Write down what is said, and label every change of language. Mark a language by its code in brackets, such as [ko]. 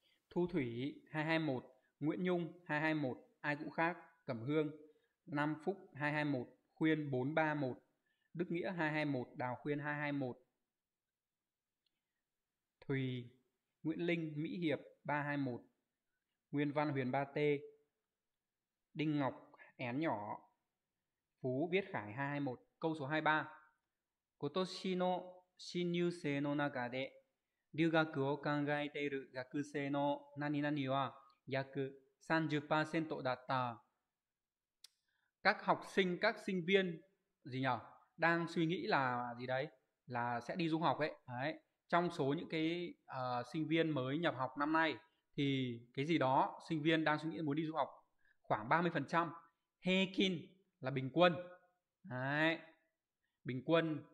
[vi] Thu Thủy 221, Nguyễn Nhung 221, ai cũng khác, Cẩm Hương, Nam Phúc 221, Khuyên 431, Đức Nghĩa 221, Đào Khuyên 221, Thùy, Nguyễn Linh, Mỹ Hiệp 321, Nguyên Văn Huyền 3T, Đinh Ngọc, Én Nhỏ, Phú Viết Khải 221. Câu số 23. [ja] Kotoshino shinyusei no naka de 留学を考えている学生の何々は約30%だった。 [vi] Các học sinh, các sinh viên gì nhỉ? Đang suy nghĩ là gì đấy? Là sẽ đi du học ấy. Đấy. Trong số những cái sinh viên mới nhập học năm nay thì cái gì đó sinh viên đang suy nghĩ muốn đi du học khoảng 30%. Heikin là bình quân. Đấy. Bình quân.